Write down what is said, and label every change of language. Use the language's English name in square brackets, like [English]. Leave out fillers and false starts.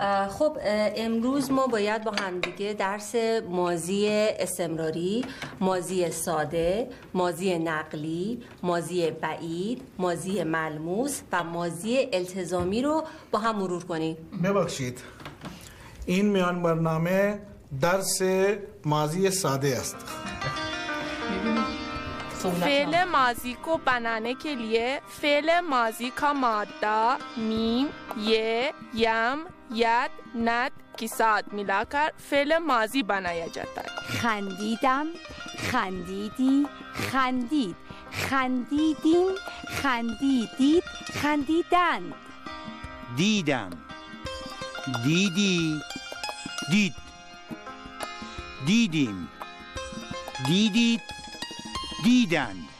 [Persian] خب امروز ما باید با همدیگه درس ماضی استمراری، ماضی ساده، ماضی نقلی، ماضی بعید، ماضی ملموس و ماضی التزامی رو با هم مرور کنیم. ببخشید، این میان برنامه درس ماضی ساده است. [Urdu] فعل ماضی کو بنانے کے لیے فعل ماضی کا مادہ میم، یہ، یم، ید، ند کی ساتھ ملا کر فعل ماضی بنایا جاتا ہے. [Persian] خندیدم، خندیدی، خندید، خندیدیم، خندیدید، خندیدند. دیدم، دیدی دید دیدیم دیدید دیدن